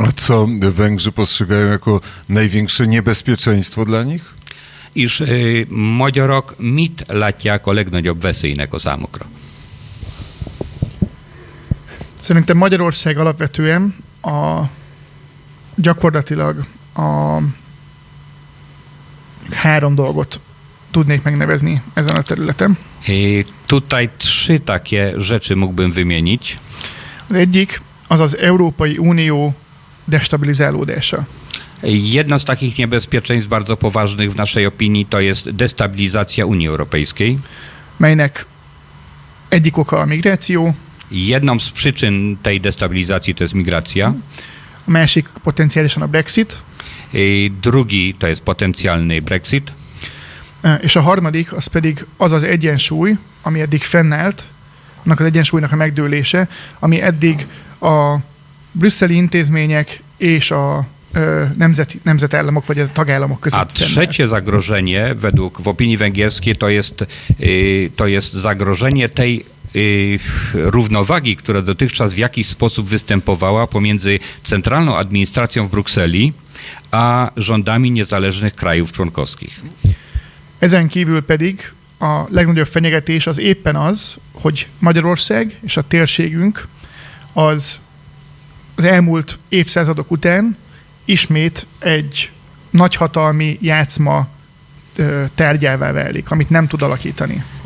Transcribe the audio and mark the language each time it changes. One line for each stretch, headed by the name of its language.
Polish: A co Węgrzy postrzegają jako największe niebezpieczeństwo dla nich?
Hungarian: és magyarok mit látják a legnagyobb veszélynek a számukra? Szerintem Magyarország alapvetően a gyakorlatilag a három dolgot tudnék megnevezni ezen a területen.
Polish: Tutaj trzy rzeczy mógłbym wymienić.
Hungarian: Az egyik, az az Európai Unió destabilizálódása.
Polish: Jedno z takich niebezpieczeństw bardzo poważnych w naszej opinii to jest destabilizacja Unii Europejskiej.
Hungarian: Melynek egyik oka a migráció.
Polish: Jedną z przyczyn tej destabilizacji to jest migracja.
Hungarian: A másik potencjálisan a Brexit.
Polish: Drugi to jest potencjalny Brexit.
Hungarian: És a harmadik, az pedig az az egyensúly, ami eddig fennállt, annak az egyensúlynak a megdőlése, ami eddig a brüsszeli intézmények és a nemzetállamok vagy a tagállamok között fennállt.
Polish: A trzecie zagrożenie według w opinii węgierskiej to jest zagrożenie tej równowagi, która dotychczas w jakiś sposób występowała pomiędzy centralną administracją w Brukseli a rządami niezależnych krajów członkowskich.
Hungarian: Ezen kívül pedig a legnagyobb fenyegetés az éppen az, hogy Magyarország és a térségünk az elmúlt évszázadok után ismét egy nagyhatalmi játszma tárgyává válik, amit nem tud alakítani.